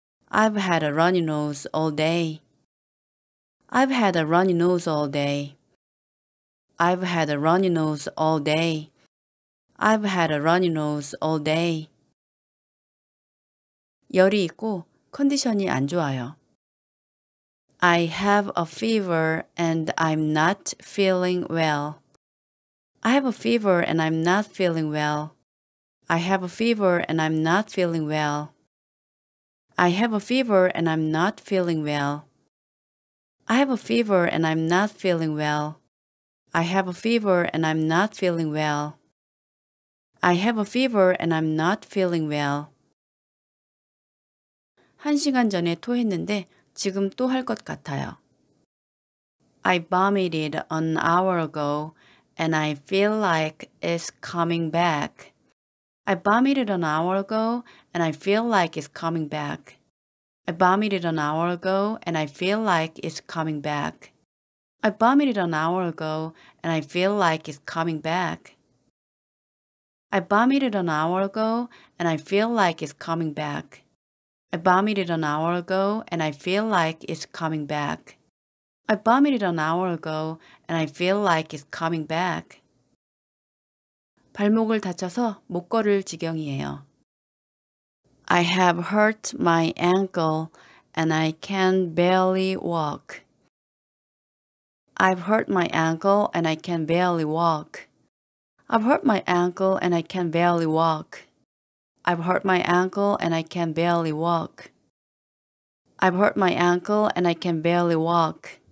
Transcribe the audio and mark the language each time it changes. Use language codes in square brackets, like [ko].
[en] I've had a runny nose all day. I've had a runny nose all day. I've had a runny nose all day. I've had a runny nose all day. [ko] 열이 있고 컨디션이 안 좋아요. [en] I have a fever and I'm not feeling well. I have a fever and I'm not feeling well. I have a fever and I'm not feeling well. I have a fever and I'm not feeling well. I have a fever and I'm not feeling well. I have a fever and I'm not feeling well. I have a fever and I'm not feeling well. [ko] 한 시간 전에 토했는데 지금 또 할 것 같아요. [en] I vomited an hour ago and I feel like it's coming back. I vomited an hour ago and I feel like it's coming back. I vomited an hour ago and I feel like it's coming back. I vomited an hour ago and I feel like it's coming back. I vomited an hour ago and I feel like it's coming back. I vomited an hour ago and I feel like it's coming back. I vomited an hour ago and I feel like it's coming back. [ko] 발목을 다쳐서 못 걸을 지경이에요. [en] I have hurt my ankle and I can barely walk. I've hurt my ankle and I can barely walk. I've hurt my ankle and I can barely walk. I've hurt my ankle and I can barely walk. I've hurt my ankle and I can barely walk.